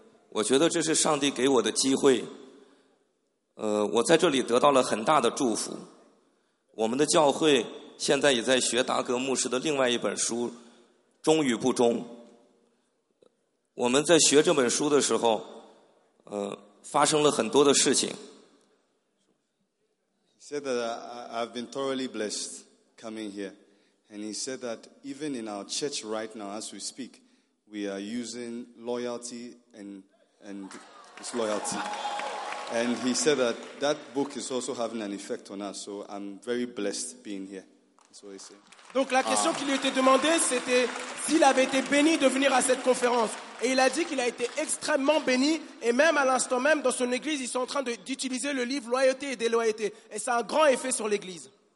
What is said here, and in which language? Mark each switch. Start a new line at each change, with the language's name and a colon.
Chinese: 我觉得这是上帝给我的机会。我在这里得到了很大的祝福。我们的教会现在也在学达格牧师的另外一本书《忠与不忠》。我们在学这本书的时候，发生了很多的事情。
English: He said that I've been thoroughly blessed coming here. And he said that even in our church right now, as we speak, we are using loyalty and disloyalty. And he said that that book is also having an effect on us. So I'm very blessed being here. That's what he said.
French: Donc la question qui lui était demandée, c'était s'il avait été béni de venir à cette conférence. Et il a dit qu'il a été extrêmement béni. Et même à l'instant même, dans son église, ils sont en train d'utiliser le livre Loyauté et Déloyauté. Et ça a un grand effet sur l'église.